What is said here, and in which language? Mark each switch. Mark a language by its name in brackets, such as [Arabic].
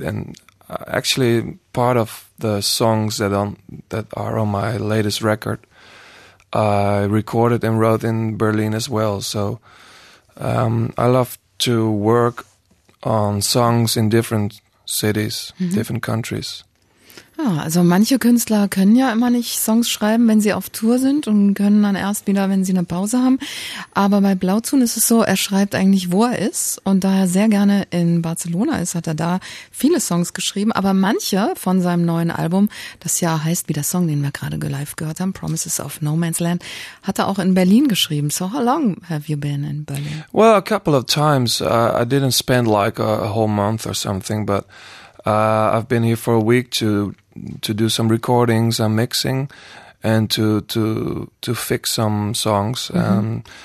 [English] And actually, part of the songs that are on my latest record, I recorded and wrote in Berlin as well. So I love to work on songs in different cities, mm-hmm. different countries. [German] Ja, also manche Künstler können ja immer nicht Songs schreiben, wenn sie auf Tour sind, und können dann erst wieder, wenn sie eine Pause haben. Aber bei Blauzun ist es so, er schreibt eigentlich, wo er ist, und da er sehr gerne in Barcelona ist, hat er da viele Songs geschrieben. Aber manche von seinem neuen Album, das ja heißt wie der Song, den wir gerade live gehört haben, Promises of No Man's Land, hat er auch in Berlin geschrieben. [English] So how long have you been in Berlin? Well, a couple of times. I didn't spend like a whole month or something, but I've been here for a week to do some recordings and mixing and to fix some songs. Mm-hmm.